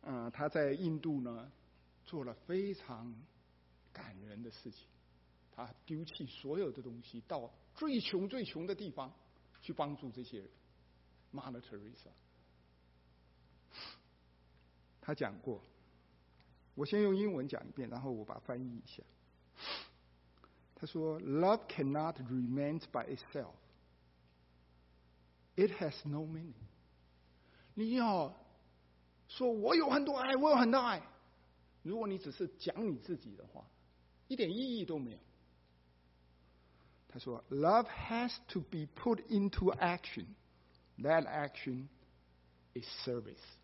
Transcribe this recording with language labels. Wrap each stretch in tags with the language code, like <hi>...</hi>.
<zh>他在印度呢做了非常感人的事情，他丢弃所有的东西，到最穷最穷的地方去帮助这些人。 Mother Teresa 他讲过，我先用英文讲一遍，然后我把翻译一下。他说</zh> <en>Love cannot remain by itself, it has no meaning。</en> <zh>你要说我有很多爱，我有很多爱，如果你只是讲你自己的话，一点意义都没有。他说</zh> <en>Love has to be put into action, that action is service。</en>